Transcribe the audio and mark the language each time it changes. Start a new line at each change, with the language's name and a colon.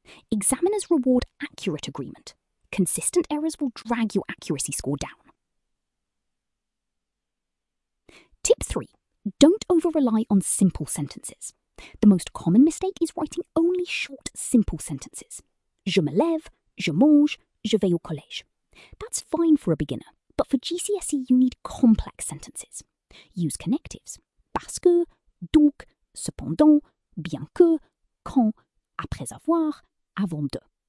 English: Examiners reward accurate agreement. Consistent errors will drag your accuracy score down. Tip 3. Don't over-rely on simple sentences. The most common mistake is writing only short, simple sentences.
French: Je me lève, je mange, je vais au collège.
English: That's fine for a beginner, but for GCSE you need complex sentences. Use connectives.
French: Parce que, donc, cependant, bien que, quand, après avoir, avant de.